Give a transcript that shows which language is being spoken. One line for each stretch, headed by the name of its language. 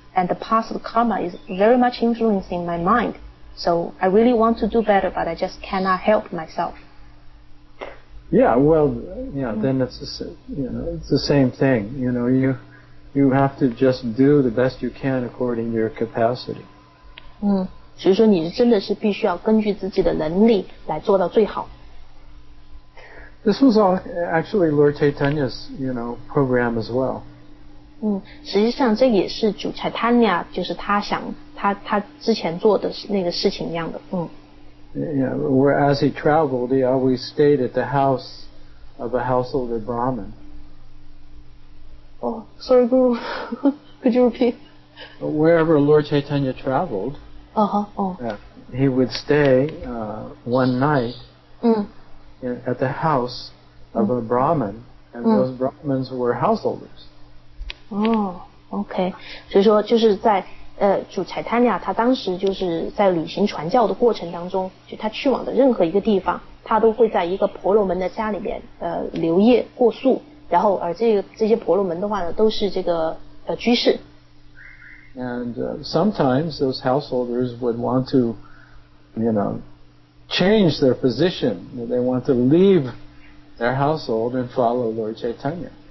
English: And the past of karma is very much influencing my mind. So I really want to do better, but I just cannot help myself. Yeah, well, yeah, then it's, you know, it's the same thing. You know, you have to just do the best you can according to your capacity.
Chinese: 所以说你真的是必须要根据自己的能力来做到最好。
English: This was all actually Lord Chaitanya's, you know, program as well.
Chinese: 实际上这也是主 Chaitanya, 就是他想他之前做的那个事情一样的。
English: Yeah, whereas he traveled, he always stayed at the house of a household of Brahmin. Oh, sorry, Guru. Could you repeat? Wherever Lord Chaitanya traveled, he would stay one night at the house of a Brahmin, and those Brahmins were householders. Okay.
Chinese: 所以说就是在主 Chaitanya 他当时就是在旅行传教的过程当中，就他去往的任何一个地方，他都会在一个婆罗门的家里面留夜过宿。然后而这些婆罗门的话呢，都是这个居士。
English: And sometimes those householders would want to, you know, change their position. They want to leave their household and follow Lord Chaitanya.